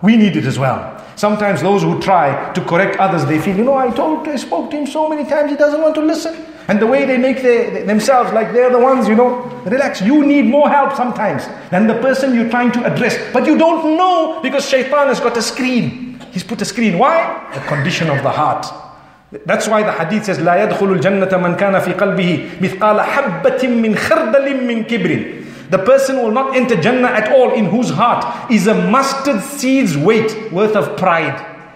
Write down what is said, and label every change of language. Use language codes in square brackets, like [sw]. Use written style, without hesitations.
[en] We need it as well. Sometimes those who try to correct others, they feel, you know, I spoke to him so many times, he doesn't want to listen. And the way they make themselves like they're the ones, you know, relax. You need more help sometimes than the person you're trying to address. But you don't know, because shaitan has got a screen. He's put a screen. Why? The condition of the heart. That's why the hadith says, [ar] لا يدخل الجنة من كان في قلبه مثقال حبة من خردل من كبر. [en] The person will not enter Jannah at all, in whose heart is a mustard seed's weight worth of pride.